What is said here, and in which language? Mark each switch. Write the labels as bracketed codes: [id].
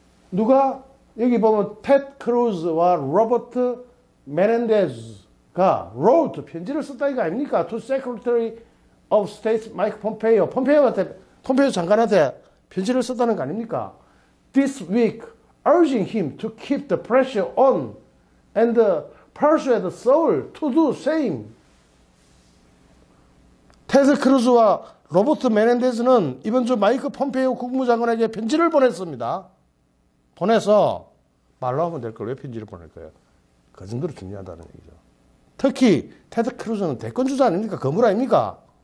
[ko] 누가? 여기 보면 테드 크루즈와 로버트 메넨데즈가 로드 편지를 썼다 이거 아닙니까? [en] To Secretary of State 마이크 폼페이오. [ko] 폼페이오 장관한테 편지를 썼다는 거 아닙니까? [en] This week urging him to keep the pressure on and persuade Seoul to do same. [ko] 테드 크루즈와 로버트 메넨데즈는 이번 주 마이크 폼페이오 국무장관에게 편지를 보냈습니다. 보내서 말로 하면 될 걸 왜 편지를 보낼까요? 그 정도로 중요하다는 얘기죠. 특히 테드 크루즈는 대권주자 아닙니까? 거물 아닙니까?